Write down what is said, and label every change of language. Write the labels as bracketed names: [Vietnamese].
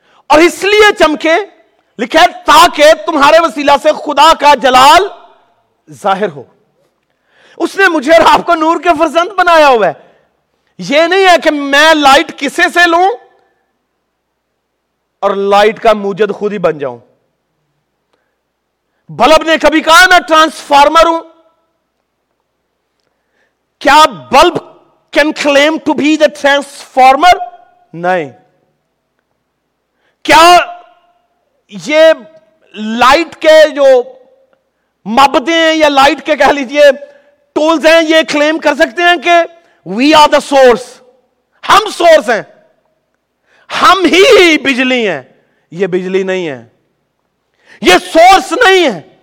[Urdu] اور اس لیے چمکے, لکھا ہے تاکہ تمہارے وسیلہ سے خدا کا جلال ظاہر ہو. اس نے مجھے اور آپ کو نور کے فرزند بنایا ہوا ہے. یہ نہیں ہے کہ میں لائٹ کسے سے لوں اور لائٹ کا موجد خود ہی بن جاؤں. بلب نے کبھی کہا میں ٹرانسفارمر ہوں. [English] کیا bulb can claim to be the transformer? نہیں. [Urdu] کیا یہ لائٹ کے جو مبدے ہیں یا لائٹ کے کہہ لیجئے ٹولز ہیں یہ کلیم کر سکتے ہیں کہ [English] we are the source, [Urdu] ہم سورس ہیں, ہم ہی بجلی ہیں؟ یہ بجلی نہیں ہے, یہ سورس نہیں ہے.